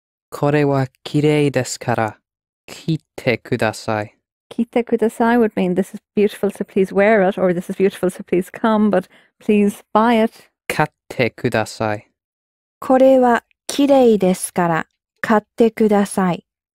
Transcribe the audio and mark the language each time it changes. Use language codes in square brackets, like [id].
[ja] これはきれいですから、きてください。 [en] きてください would mean this is beautiful, so please wear it, or this is beautiful, so please come, but please buy it. [ja] 買ってください。これはきれいですから、買ってください。